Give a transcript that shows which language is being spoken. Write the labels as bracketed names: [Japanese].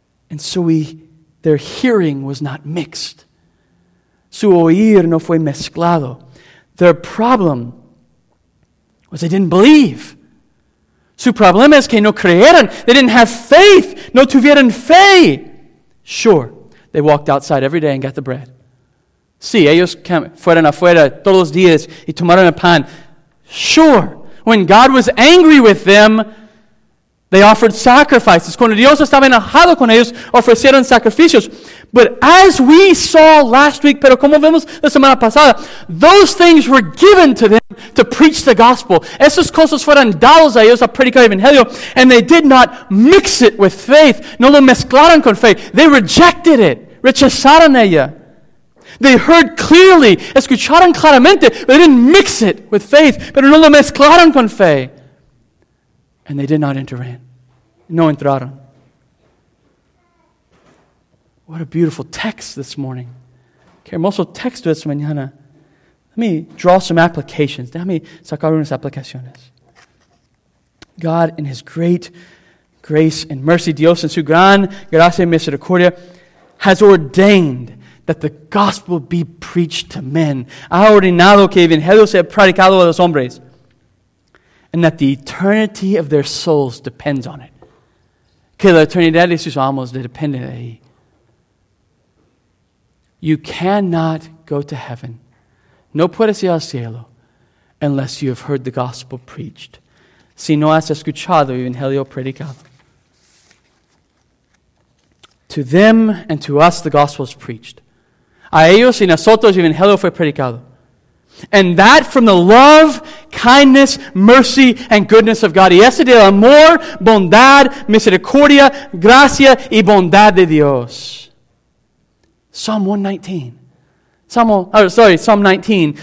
[English] And so their hearing was not mixed. [Spanish] Su oír no fue mezclado. [English] Their problem was they didn't believe. [Spanish] Su problema es que no creyeron. [English] They didn't have faith. [Spanish] No tuvieron fe. [English] Sure, they walked outside every day and got the bread. [Spanish] Sí, ellos fueron afuera todos los días y tomaron el pan. [English] Sure, when God was angry with them, they offered sacrifices. [Spanish] Cuando Dios estaba enojado con ellos, ofrecieron sacrificios. [English] But as we saw last week, [Spanish] pero como vemos la semana pasada, [English] those things were given to them to preach the gospel. [Spanish] Esas cosas fueron dadas a ellos a predicar el evangelio, [English] and they did not mix it with faith. [Spanish] No lo mezclaron con fe. [English] They rejected it. [Spanish] Rechazaron ella. [English] They heard clearly. [Spanish] Escucharon claramente. [English] But they didn't mix it with faith. [Spanish] Pero no lo mezclaron con fe. [English] And they did not enter in. [Spanish] No entraron. [English] What a beautiful text this morning. [Spanish] Qué hermoso texto esta mañana. [English] Let me draw some applications. [Spanish] Déjame sacar unas aplicaciones. [English] God, in His great grace and mercy, [Spanish] Dios en su gran gracia y misericordia, [English] has ordained that the gospel be preached to men. [Spanish] Ha ordenado que el evangelio sea predicado a los hombres. [English] And that the eternity of their souls depends on it. [Spanish] Que la eternidad de sus almas depende de ahí. [English] You cannot go to heaven. [Spanish] No puedes ir al cielo [English] unless you have heard the gospel preached. [Spanish] Si no has escuchado el evangelio predicado. [English] To them and to us the gospel is preached. [Spanish] A ellos y nosotros el evangelio fue predicado. [English] And that from the love, kindness, mercy, and goodness of God. [Spanish] Y ese del amor, bondad, misericordia, gracia, y bondad de Dios. [English] Psalm 119. Psalm 19.